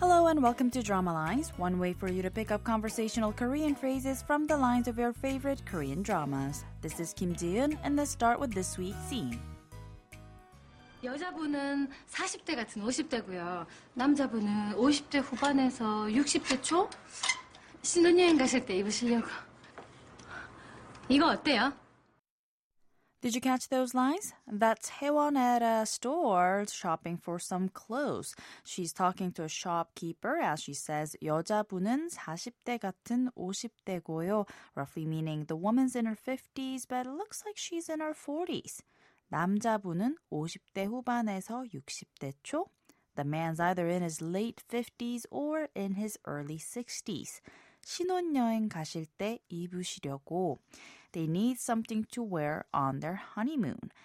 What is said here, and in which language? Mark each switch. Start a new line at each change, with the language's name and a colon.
English: and welcome to Drama Lines, one way for you to pick up conversational Korean phrases from the lines of your favorite Korean dramas. This is Kim Ji-eun, and let's start with this week's scene.
Korean: 여자분은 40대 같은 50대고요. 남자분은 50대 후반에서 60대 초? 신혼여행 가실 때 입으시려고. 이거 어때요?
English: Did you catch those lines? That's Haewon at a store shopping for some clothes. She's talking to a shopkeeper as she says,
Korean: 여자분은 40대 같은 50대고요.
English: Roughly meaning the woman's in her 50s, but it looks like she's in her 40s.
Korean: 남자분은 50대 후반에서 60대 초?
English: The man's either in his late 50s or in his early 60s.
Korean: 신혼여행 가실 때 입으시려고.
English: They need something to wear on their honeymoon.